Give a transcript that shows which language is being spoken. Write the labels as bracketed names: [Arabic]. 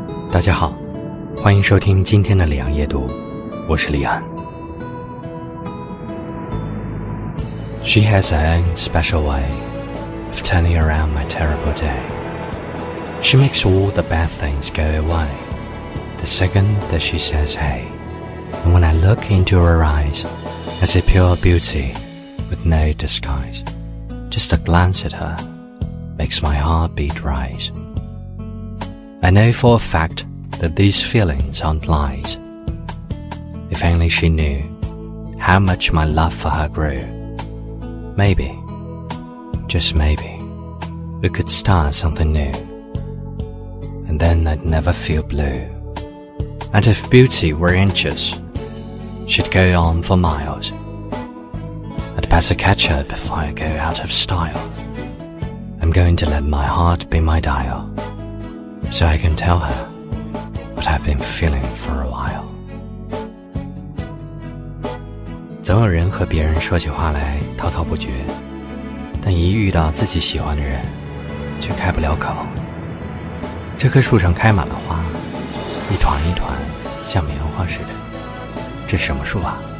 [Chinese] 大家好，欢迎收听今天的李昂夜读，我是李昂。 [English] She has her own special way of turning around my terrible day. She makes all the bad things go away the second that she says hey. And when I look into her eyes, I see pure beauty with no disguise. Just a glance at her makes my heartbeat rise. I know for a fact that these feelings aren't lies. If only she knew how much my love for her grew. Maybe, just maybe, we could start something new. And then I'd never feel blue. And if beauty were inches, she'd go on for miles. I'd better catch her before I go out of style. I'm going to let my heart be my dial. So I can tell her what I've been feeling for a while. [Chinese] 总有人和别人说起话来滔滔不绝，但一遇到自己喜欢的人却开不了口。这棵树上开满了花，一团一团像棉花似的，这什么树啊？